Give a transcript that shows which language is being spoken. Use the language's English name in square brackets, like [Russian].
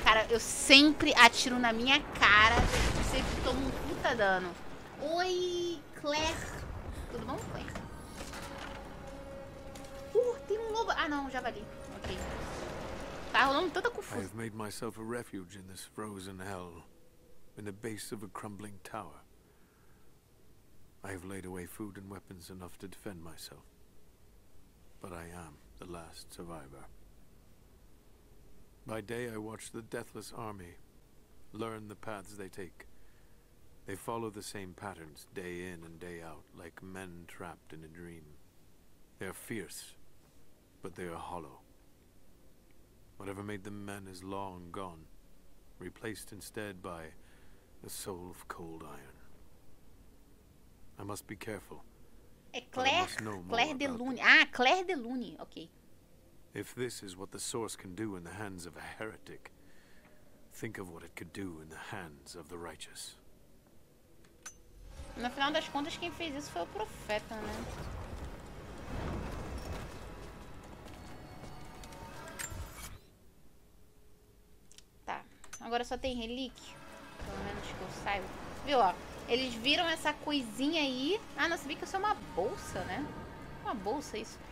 [Portuguese] Eu sempre atiro na minha cara e sempre tomo um puta dano. Oi, Claire. Tudo bom, Claire? Tem um lobo. Ah, não, já vali. Ok. Tá rolando tanta confusão. [English] I've made myself a refuge in this frozen hell, in the base of a crumbling tower. I've laid away food and weapons enough to defend myself. But I am the last survivor. By day, I watch the Deathless Army, learn the paths they take. They follow the same patterns, day in and day out, like men trapped in a dream. They are fierce, but they are hollow. Whatever made them men is long gone, replaced instead by a soul of cold iron. I must be careful. [Portuguese] É Claire de Lune. Ah, Claire de Lune, ok. [English] If this is what the source can do in the hands of a heretic, think of what it could do in the hands of the righteous. [Portuguese] No final das contas, quem fez isso foi o profeta, né? Agora só tem relíquia. Pelo menos que eu saiba. Viu, ó. Eles viram essa coisinha aí. Ah, não, sabia que isso é uma bolsa, né? Uma bolsa, isso.